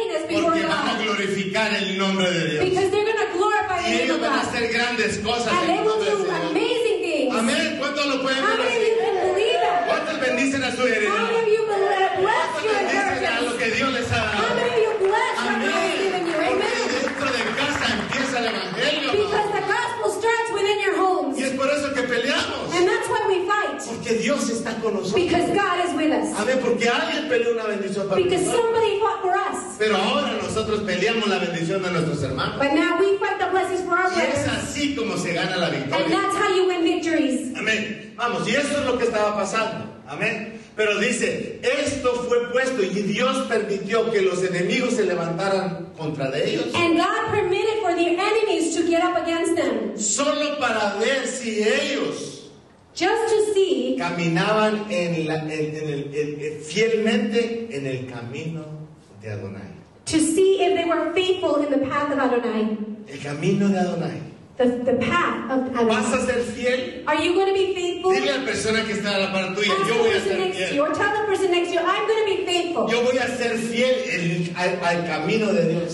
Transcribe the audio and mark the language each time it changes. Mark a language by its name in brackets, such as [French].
[Spanish] Porque van a glorificar el nombre de Dios. [English] Because they're going to glorify the name of God. [Spanish] Y ellos van a hacer grandes cosas. [English] And they will do amazing things. [Spanish] Amén. ¿Cuántos lo pueden ver así? ¿Cuántos bendicen a su heredad? [English] How many of you bless your inheritance? [Spanish] ¿Cuántos bendicen a lo que Dios les ha dado? [English] How many of you bless what God has given you? Amen. [Spanish] Porque dentro de casa empieza el evangelio. [English] Because the gospel starts within your homes. [Spanish] Y es por eso que peleamos. [English] And that's why we fight. [Spanish] Porque Dios está con nosotros. [English] Because God is with us. [Spanish] Amén. Porque alguien peleó una bendición para nosotros. [English] Because somebody fought for us. [Spanish] Pero ahora nosotros peleamos la bendición de nuestros hermanos. [English] But now we fight the blessings for our brothers. [Spanish] Y es así como se gana la victoria. [English] And that's how you win victories. [Spanish] Amén. Vamos, y eso es lo que estaba pasando. Amén. Pero dice, esto fue puesto y Dios permitió que los enemigos se levantaran contra de ellos. [English] And God permitted for the enemies to get up against them. [Spanish] Solo para ver si ellos [English] just to see [Spanish] caminaban en el fielmente en el camino de Adonai. [English] To see if they were faithful in the path of Adonai. [Spanish] El camino de Adonai. [English] The path of Adonai. [Spanish] ¿Vas a ser fiel? [English] Are you going to be faithful? [Spanish] Dile a la persona que está a la par tuya, yo voy a ser fiel. [English] Or tell the person next to you, I'm going to be faithful. [Spanish] Yo voy a ser fiel al camino de Dios.